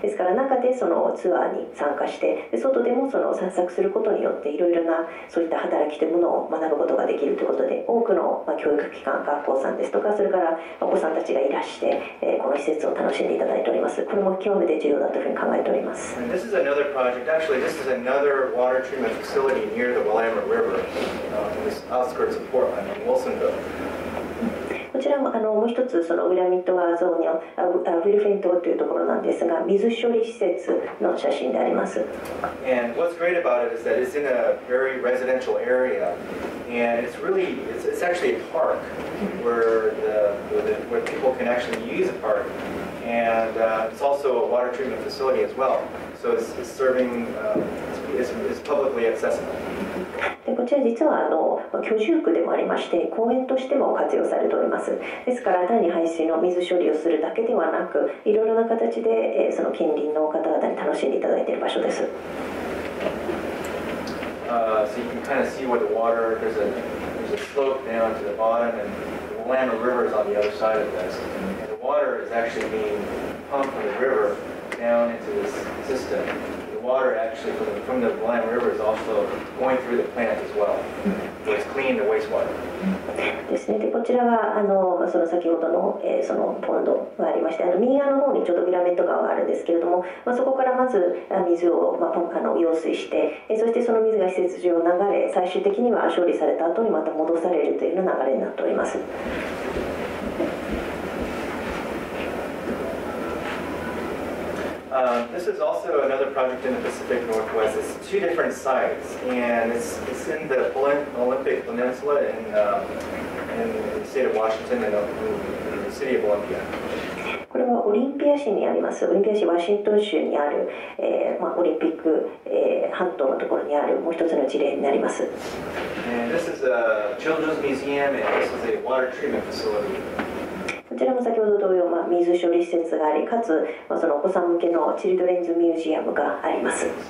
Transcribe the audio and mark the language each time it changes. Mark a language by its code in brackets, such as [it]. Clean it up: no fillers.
[ja] ですから中でそのツアーに参加して、で外でもその散策することによっていろいろなそういった働きというものを学ぶことができるということで、多くの教育機関、学校さんですとか、それからお子さんたちがいらして、この施設を楽しんでいただいております。これも極めて重要だというふうに考えております。 [en] This is another project. Actually, this is another water treatment facility near the Willamette River, outskirts of Portland, in Wilsonville. [ja] こちらも、もう一つそのウィラミット川沿いのウィルフェン島というところなんですが、水処理施設の写真であります。 [en] And what's great about it is that it's in a very residential area, and it's really, it's actually a park where people can actually use a park, and it's also a water treatment facility as well. So it's serving, it's publicly accessible. [ja] でこちら実は居住区でもありまして公園としても活用されております。ですから単に排水の水処理をするだけではなくいろいろな形で、その近隣の方々に楽しんでいただいている場所です。 [en] So you can kind of see where the water there's a slope down to the bottom and the Willamette River is on the other side of this and the water is actually being pumped from the river down into this systemwater actually from the Blind River is also going through the plant as well. So it's cleaning the wastewater. [ja] ですね、でこちらはその先ほど の,、そのポンドがありまして右側の方にちょっとビラメット川があるんですけれども、まあ、そこからまず水を、まあ、ポンカの用水して、そしてその水が施設上流れ最終的には処理された後にまた戻されるというような流れになっております。 [en] This is also another project in the Pacific Northwest. It's two different sites, and it's in the Olympic Peninsula in the state of Washington and the city of Olympia. [ja] これはオリンピア市にあります。オリンピア市ワシントン州にある、まあ、オリンピック、半島のところにあるもう一つの事例になります。 [en] And this is a children's museum, and this is a water treatment facility. [ja] こちらも先ほど同様、まあ、水処理施設がありかつ、まあ、そのお子さん向けのチルドレンズミュージアムがあります。